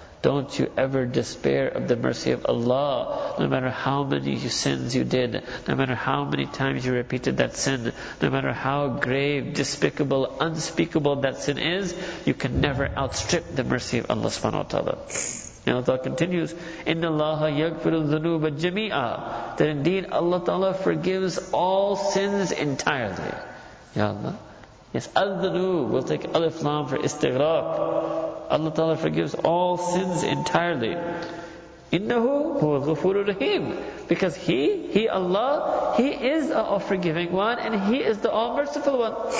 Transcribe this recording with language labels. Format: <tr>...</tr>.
<en>Don't you ever despair of the mercy of Allah. No matter how many sins you did, no matter how many times you repeated that sin, no matter how grave, despicable, unspeakable that sin is, you can never outstrip the mercy of Allah subhanahu wa ta'ala. And Allah continues,</en> <ar>إِنَّ اللَّهَ يَغْفِرُ الذُّنُوبَ جَمِيعًا.</ar> <en>That indeed Allah Ta'ala forgives all sins entirely.</en> <ar>Ya Allah.</ar> <en>Yes,</en> <ar>الذُّنُوبَ.</ar> <en>We'll take alif lam for istighraq. Allah Ta'ala forgives all sins entirely.</en> <ar>إِنَّهُ هُوَ الْغُفُورُ الرَّحِيمُ.</ar> <en>Because He Allah, He is the all-forgiving one and He is the all-merciful one.</en>